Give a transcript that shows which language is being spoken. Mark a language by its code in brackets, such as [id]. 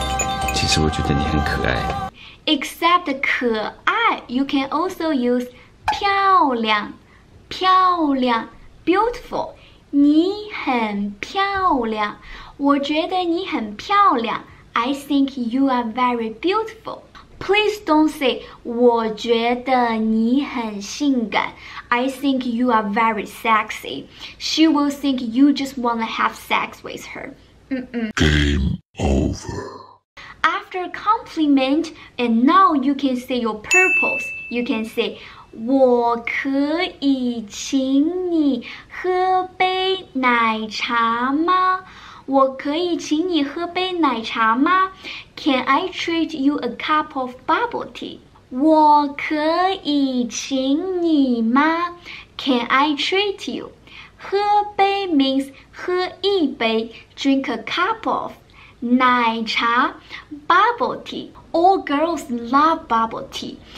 [zh] 要不要送你去医院啊？其实我觉得你很可爱。 [en] Except [zh] 可爱, [en] you can also use [zh] 漂亮, 漂亮, [en] beautiful. [zh] 你很漂亮, 我觉得你很漂亮, [en] I think you are very beautiful. Please don't say [zh] 我觉得你很性感, [en] I think you are very sexy. She will think you just want to have sex with her. Mm-mm. Game over. After compliment, and now you can say your purpose. You can say [zh] 我可以请你喝杯奶茶吗? 我可以请你喝杯奶茶吗? [en] Can I treat you a cup of bubble tea? [zh] 我可以请你吗? [en] Can I treat you? [zh] 喝杯 [en] means [zh] 喝一杯, [en] drink a cup of. [zh] 奶茶, [en] bubble tea. All girls love bubble tea.